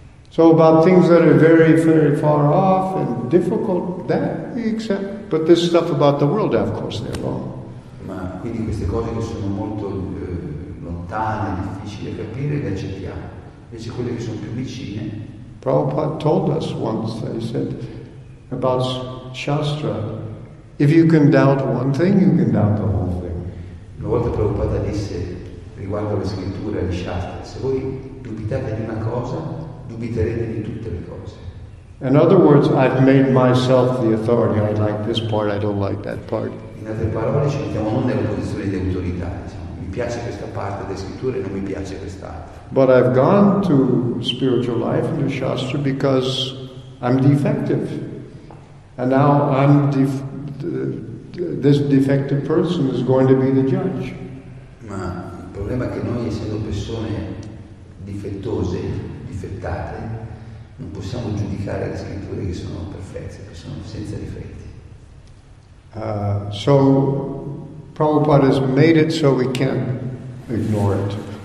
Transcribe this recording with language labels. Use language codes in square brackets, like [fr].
[en] So about things that are very, very far off and difficult, that we accept. But this stuff about the world, of course, they're wrong. [it] Ma quindi queste cose che sono molto lontane, difficili da capire, le accettiamo. Invece quelle che sono più vicine. [en] Prabhupada told us once, he said, about Shastra, if you can doubt one thing, you can doubt the whole thing. [it] Una volta Prabhupada disse, riguardo alle scritture, alle Shastra, se voi dubitate di una cosa, dubiterete di tutte le cose. [en] In other words, I've made myself the authority. I like this part, I don't like that part. [it] In altre parole, ci mettiamo non nella posizione di autorità. Mi piace questa parte delle scritture, non mi piace quest'altra. [en] But I've gone to spiritual life and to Shastra because I'm defective. And now I'm this defective person is going to be the judge. [it] Ma il problema è che noi, essendo persone difettose, difettate, non possiamo giudicare le scritture che sono perfette, che sono senza difetti. [en] So Prabhupada has made it so we can't ignore it.